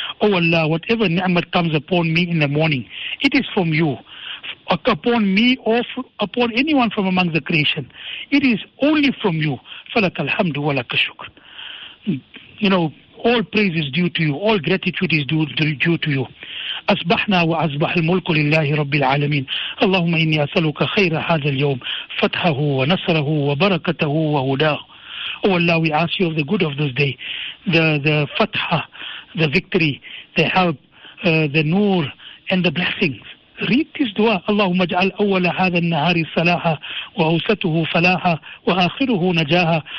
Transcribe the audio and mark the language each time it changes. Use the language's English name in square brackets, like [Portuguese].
[English] Oh Allah, whatever ni'mat comes upon me in the morning, it is from you. Upon me or upon anyone from among the creation, it is only from you. [Arabic] Falaka alhamdu wa laka shukr. [English] You know, all praise is due to you, all gratitude is due to you. [Arabic] أصبحنا وأصبح الملك لله رب العالمين اللهم إني أسألك خير هذا اليوم فتحه ونصره وبركته وهداه. [English] Oh Allah, we ask you of the good of this day, the fatha, the victory, the help, the nur and the blessings. Read this dua. [Arabic] اللهم اجعل أول هذا النهار صلاحا وأوسطه فلاحا وآخره نجاحا.